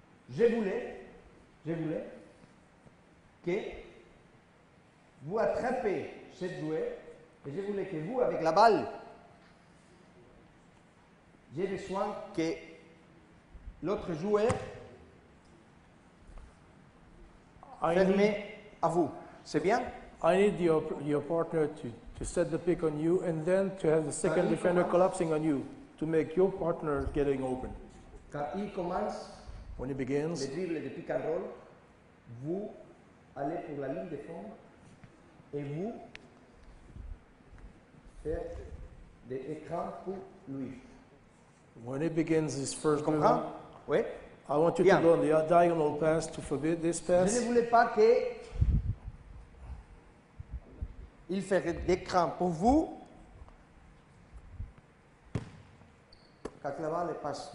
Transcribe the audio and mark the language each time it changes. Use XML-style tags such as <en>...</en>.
<fr>Je voulais que vous attrapez cette jouet et je voulais que vous, avec la balle, j'ai besoin que l'autre joueur ferme à vous. C'est bien?</fr> <en>I need your partner to set the pick on you and then to have the second</en> <fr>Quand</fr> <en>defender collapsing on you to make your partner getting open.</en> <fr>Quand il commence,</fr> <en>when he begins,</en> <fr>le dribble de pick and roll, vous allez pour la ligne de fond et vous faire des écrans pour lui.</fr> <en>When he begins his first move, oui. I want you</en> <fr>Bien.</fr> <en>To go on the diagonal pass to forbid this pass.</en> <fr>Je ne voulais pas que il ferait des écrans pour vous quand la balle passe.</fr>